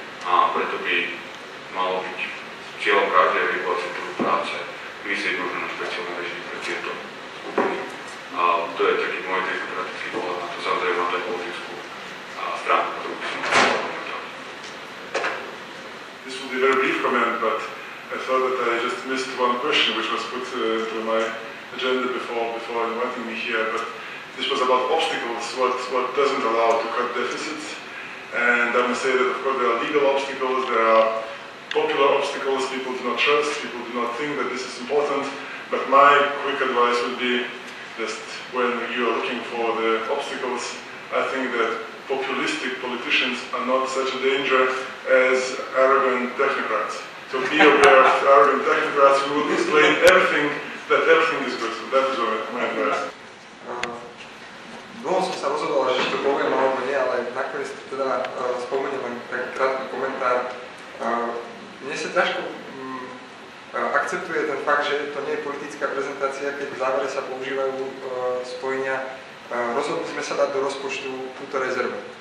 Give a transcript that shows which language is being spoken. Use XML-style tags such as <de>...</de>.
<sk>A preto by malo byť cieľom každého vyplaciť trhu práce, myslieť možno na špeciálne režimy pre tieto skupiny. A to je taký môj demokratický pohľad na to, samozrejme mám aj politickú stranu, ktorú by som mohol komentovať.</sk> <en>This will be a very brief comment, but I thought that I just missed one question, which was put into my agenda before inviting me here, but this was about obstacles, what doesn't allow to cut deficits. And I must say that, of course, there are legal obstacles, there are popular obstacles, people do not trust, people do not think that this is important. But my quick advice would be, just when you are looking for the obstacles, I think that populistic politicians are not such a danger as arrogant technocrats. So be aware of arrogant technocrats who will explain everything, that everything is good. So that is my advice.</en> <sk>Dlho som sa rozhodol, že to poviem alebo nie, ale nakoniec teda spomeniem len taký krátky komentár. Mne sa ťažko akceptuje ten fakt, že to nie je politická prezentácia, keď v závere sa používajú spojenia. Rozhodli sme sa dať do rozpočtu túto rezervu.</sk>